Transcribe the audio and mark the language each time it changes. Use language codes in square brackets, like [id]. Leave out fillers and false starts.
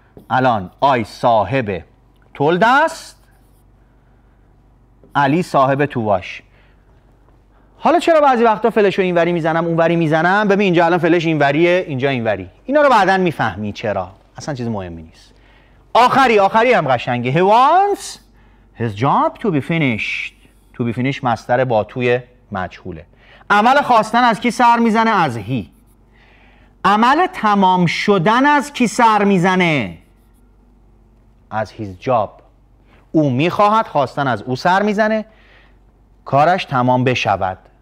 [fa] الان آی صاحب تولد است، علی صاحب تو واش. حالا چرا بعضی وقتا فلش رو اینوری میزنم اونوری میزنم؟ ببین اینجا الان فلش اینوریه، اینجا اینوری. اینا رو بعدا میفهمی چرا، اصلا چیز مهمی نیست. آخری آخری هم قشنگه. [en] He wants his job to be finished. To be finished [fa] مصدر با توی مجهوله. عمل خواستن از کی سر میزنه؟ از هی. عمل تمام شدن از کی سر میزنه؟ از [en] his job. [fa] او میخواهد، خواستن از او سر میزنه، کارش تمام بشود.